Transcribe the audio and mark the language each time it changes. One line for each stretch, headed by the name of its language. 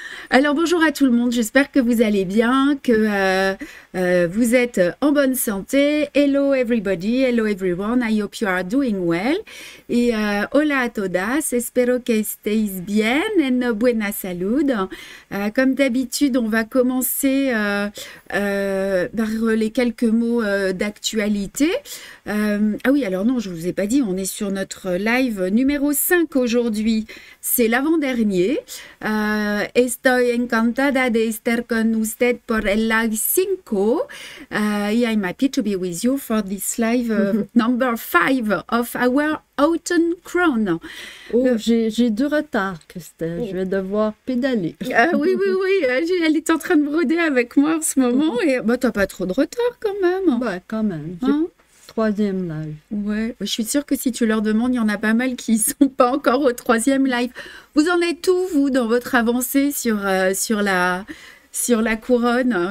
French: Alors bonjour à tout le monde, j'espère que vous allez bien, que vous êtes en bonne santé.
English: Hello everybody, hello everyone, I hope you are doing well.
Spanish: Et hola a todas, espero que estéis bien en buena salud.
French: Comme d'habitude, on va commencer par les quelques mots d'actualité. Ah oui, alors non, je ne vous ai pas dit, on est sur notre live numéro 5 aujourd'hui. C'est l'avant-dernier.
Spanish: Estoy encantada de estar con usted por el live 5.
English: I'm happy to be with you for this live number 5 of our Autumn Crown.
French: Oh, j'ai deux retards, Christelle. Je vais devoir Oui, elle est en train de broder avec moi en ce moment. pédaler. Et bah, t'as pas trop de retard quand même. Ben, quand même, j'ai Hein? troisième live. Ouais, je suis sûre que si tu leur demandes, il y en a pas mal qui sont pas encore au troisième live. Vous en êtes où, vous, dans votre avancée sur la couronne?